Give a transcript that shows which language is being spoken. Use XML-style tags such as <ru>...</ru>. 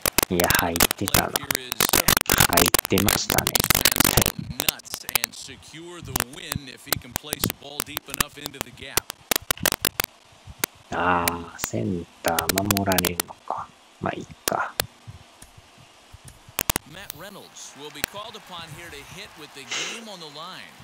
<ja>いや入ってたな、入ってましたね。</ja> <en>Nuts and secure the win if he can place a ball deep enough into the gap.</en> <ja>ああ、センター守られるのか。まあいいか。</ja> <en>Matt Reynolds will be called upon here to hit with the game on the line.</en>